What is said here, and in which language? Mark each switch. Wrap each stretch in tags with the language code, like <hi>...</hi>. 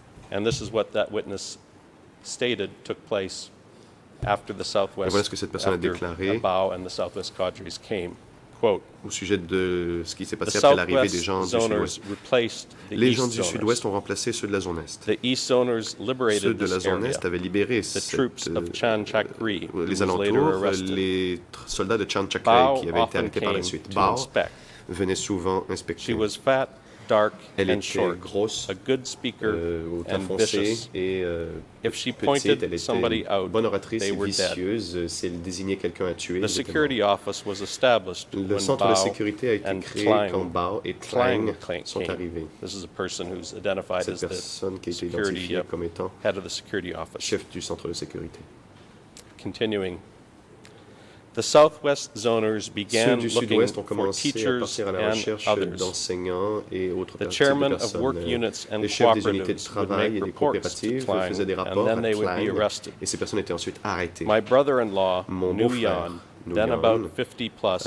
<en>And this is what that witness stated took place after the Southwest,</en> <fr>voilà ce que cette personne a déclaré,</fr> <en>after Bao and the Southwest cadres came. Quote,</en> <fr>au sujet de ce qui s'est passé après l'arrivée des gens du sud-ouest. Les gens du sud-ouest ont remplacé ceux de la zone est. Ceux de la zone est avaient libéré les alentours, les soldats de Chan Chak Rai qui avaient été arrêtés par la suite. Bao venait souvent inspecter. Elle était grosse, haute et foncée, et petite, elle était bonne oratrice et vicieuse. Si elle désignait quelqu'un à tuer, ils étaient morts. Le centre de sécurité a été créé quand Bao et Klang sont arrivés. Cette personne qui a été identifiée comme étant chef du centre de sécurité.</fr> <en>Continuing. The Southwest zoners began looking for teachers and others. The chairman of work units and cooperatives would make reports to Klein, and then they would be arrested.</en> <fr>Et ces personnes étaient ensuite arrêtées.</fr> <en>My brother-in-law, Nguyen, then about 50 plus,</en>